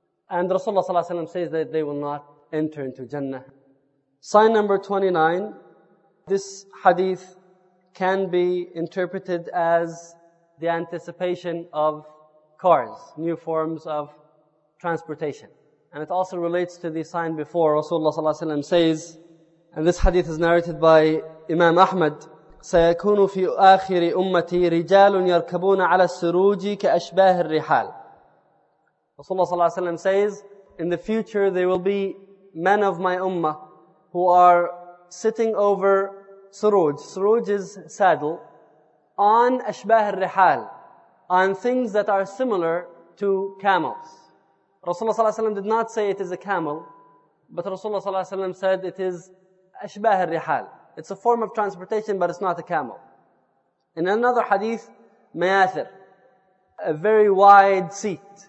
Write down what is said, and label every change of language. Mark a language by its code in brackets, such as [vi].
[en] And Rasulullah ﷺ says that they will not enter into Jannah. Sign number 29. This hadith can be interpreted as the anticipation of cars, new forms of transportation. And it also relates to the sign before. Rasulullah ﷺ says, and this hadith is narrated by Imam Ahmad, [ar] سَيَكُونُ فِي آخِرِ أُمَّتِي رِجَالٌ يَرْكَبُونَ عَلَى السُّرُوجِ كَأَشْبَاهِ الرِّحَالِ. [en] Rasulullah ﷺ says, in the future there will be men of my ummah who are sitting over suruj. Suruj is saddle. On [ar] أشباه الرحال. [en] On things that are similar to camels. Rasulullah ﷺ did not say it is a camel, but Rasulullah ﷺ said it is [ar] أشباه الرحال. [en] It's a form of transportation, but it's not a camel. In another hadith, mayathir, a very wide seat.